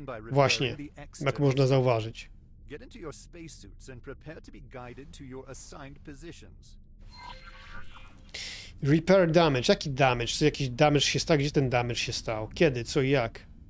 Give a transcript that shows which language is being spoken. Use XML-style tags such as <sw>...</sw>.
<pl>Właśnie, jak można zauważyć.</pl> <en>Get into your spacesuits and prepare to be guided to your assigned positions. Repair damage.</en> <pl>Jaki damage? Co jakiś damage się stał? Gdzie ten damage się stał? Kiedy? Co i jak?</pl>